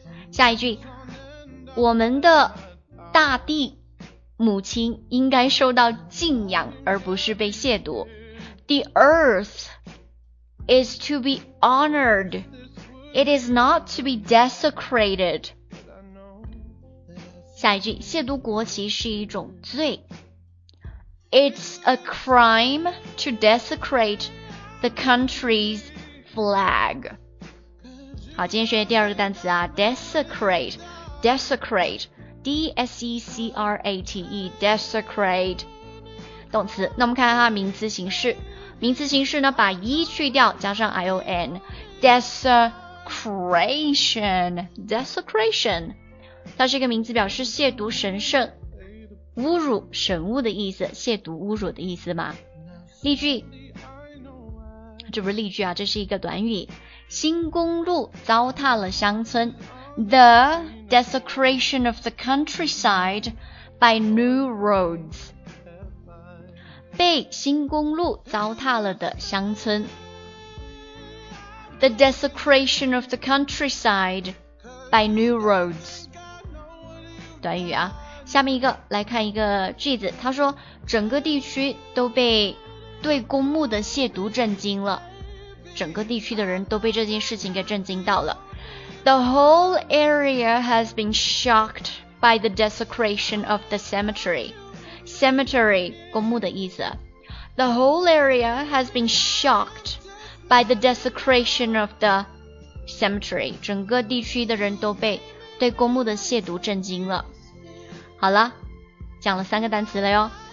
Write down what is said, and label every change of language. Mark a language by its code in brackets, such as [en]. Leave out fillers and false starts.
[zh] 下一句，我们的大地母亲应该受到敬仰而不是被亵渎。 [en] The earth is to be honored. It is not to be desecrated. [zh] 下一句，亵渎国旗是一种罪。 [en] It's a crime to desecrate the country's flag. [zh] 好，今天学的第二个单词啊 ,desecrate, D-S-E-C-R-A-T-E, desecrate, 动词。那我们看看它的名词形式。名词形式呢，把 E 去掉加上 I-O-N, desecration, 它是一个名词，表示亵渎神圣，侮辱神物的意思，亵渎侮辱的意思吗？例句，这不是例句啊，这是一个短语。新公路糟蹋了乡村。 [en] The desecration of the countryside by new roads. [zh] 被新公路糟蹋了的乡村。 [en] The desecration of the countryside by new roads. [zh] 短语啊。下面一个来看一个句子，他说整个地区都被对公墓的亵渎震惊了。整个地区的人都被这件事情给震惊到了。 [en] The whole area has been shocked by the desecration of the cemetery. Cemetery, [zh] 公墓的意思。 [en] The whole area has been shocked by the desecration of the cemetery. [zh] 整个地区的人都被对公墓的亵渎震惊了。好了，讲了三个单词了哟。